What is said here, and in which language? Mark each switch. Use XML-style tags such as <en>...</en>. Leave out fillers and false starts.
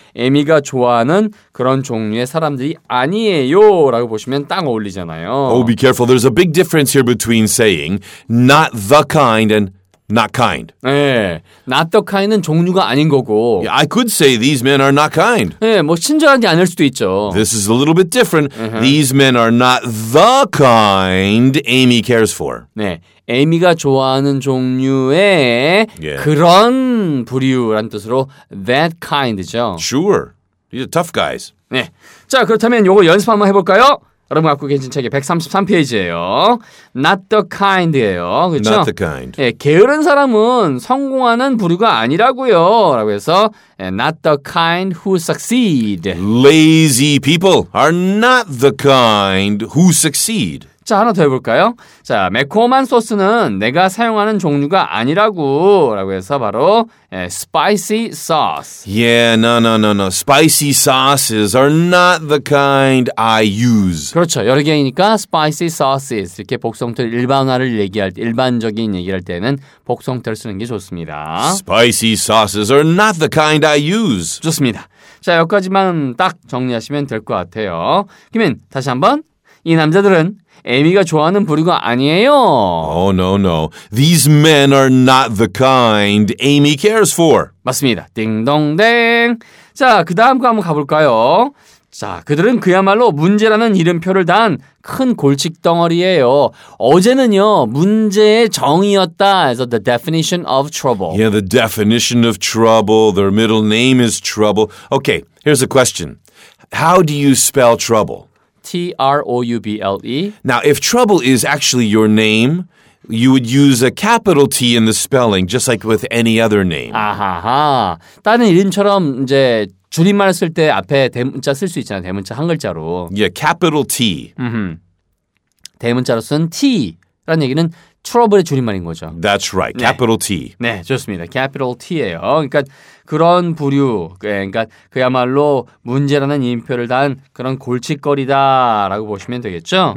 <ko>Amy가 좋아하는 그런 종류의 사람들이 아니에요. 라고 보시면 딱 어울리잖아요.</ko> <en>Oh, be careful. There's a big difference here between saying not the kind and not kind.</en> <ko>네.</ko> <en>Not the kind은</en> <ko>종류가 아닌 거고.</ko> <en>Yeah, I could say these men are not kind.</en> <ko>네. 뭐 친절한 게 아닐 수도 있죠.</ko> <en>This is a little bit different. Uh-huh. These men are not the kind Amy cares for.</en> <ko>네. 에이미가 좋아하는 종류의</ko> <en>yeah.</en> <ko>그런 부류란 뜻으로 that kind죠.</ko> <en>Sure. These are tough guys.</en> <ko>네. 자, 그렇다면 요거 연습 한번 해볼까요? 여러분 갖고 계신 책이 133페이지예요.</ko> <en>Not the kind예요.</en> <ko>그렇죠?</ko> <en>Not the kind.</en> <ko>예, 게으른 사람은 성공하는 부류가 아니라고요. 라고 해서 예,</ko> <en>Not the kind who succeed. Lazy people are not the kind who succeed.</en> <ko>자, 하나 더 해볼까요? 자, 매콤한 소스는 내가 사용하는 종류가 아니라고 라고 해서 바로 예, spicy sauce.</ko> <en>Yeah, no, no, no, no. Spicy sauces are not the kind I use.</en> <ko>그렇죠. 여러 개이니까 spicy sauces. 이렇게 복성틀 일반화를 얘기할 때, 일반적인 얘기할 때는 복성틀을 쓰는 게 좋습니다.</ko> <en>Spicy sauces are not the kind I use.</en> <ko>좋습니다. 자, 여기까지만 딱 정리하시면 될 것 같아요. 김인, 다시 한번 이 남자들은 에미가 좋아하는 부류가 아니에요.</ko> <en>Oh, no, no. These men are not the kind Amy cares for.</en> <ko>맞습니다. 띵동댕. 자, 그 다음 거 한번 가볼까요? 자, 그들은 그야말로 문제라는 이름표를 단 큰 골칫덩어리예요. 어제는요, 문제의 정의였다.</ko> <en>So the definition of trouble. Yeah, the definition of trouble. Their middle name is trouble. Okay, here's a question. How do you spell trouble? T-R-O-U-B-L-E. Now, if trouble is actually your name, you would use a capital T in the spelling, just like with any other name. 아하하.</en> <ko>다른 이름처럼 이제 줄임말 쓸 때 앞에 대문자 쓸 수 있잖아요. 대문자 한 글자로.</ko> <en>Yeah, capital T.</en> <ko>대문자로 쓴 T라는 얘기는 트러블의 줄임말인 거죠.</ko> <en>That's right. Capital</en> <ko>네.</ko> <en>T.</en> <ko>네, 좋습니다. Capital T예요. 그러니까 그런 부류, 그러니까 그야말로 문제라는 이름표를 단 그런 골칫거리다라고 보시면 되겠죠?</ko>